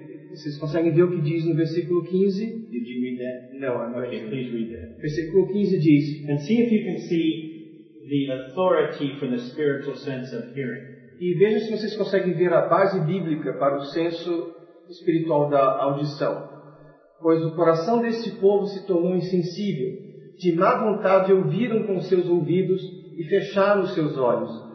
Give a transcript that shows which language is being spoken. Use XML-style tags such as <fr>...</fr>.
<pt>Vocês conseguem ver o que diz no versículo 15?</pt> <en>Did you read that? No, I'm not. Okay, please read that.</en> <pt>Versículo 15 diz,</pt> <en>and see if you can see the authority for the spiritual sense of hearing.</en> <pt>E vejam se vocês conseguem ver a base bíblica para o senso espiritual da audição. Pois o coração deste povo se tornou insensível. De má vontade ouviram com seus ouvidos e fecharam os seus olhos.</pt>